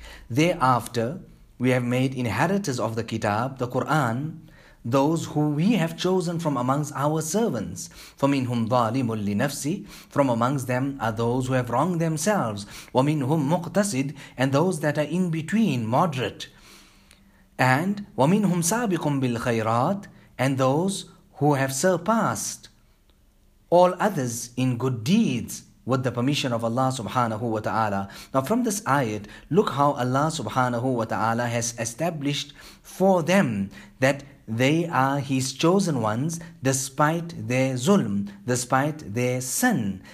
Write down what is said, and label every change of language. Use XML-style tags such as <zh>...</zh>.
<en>Thereafter, we have made inheritors of the kitab, the Qur'an, those who we have chosen from amongst our servants.</en> <ar>فَمِنْهُمْ ظَالِمٌ لِنَفْسِ.</ar> <en>From amongst them are those who have wronged themselves.</en> <ar>وَمِنْهُمْ مُقْتَصِدٌ.</ar> <en>And those that are in between, moderate.</en> <ar>And وَمِنْهُمْ سَابِقٌ بِالْخَيْرَاتِ.</ar> <en>And those who have surpassed all others in good deeds with the permission of Allah subhanahu wa ta'ala. Now from this ayat, look how Allah subhanahu wa ta'ala has established for them that they are His chosen ones despite their zulm, despite their sin.</en>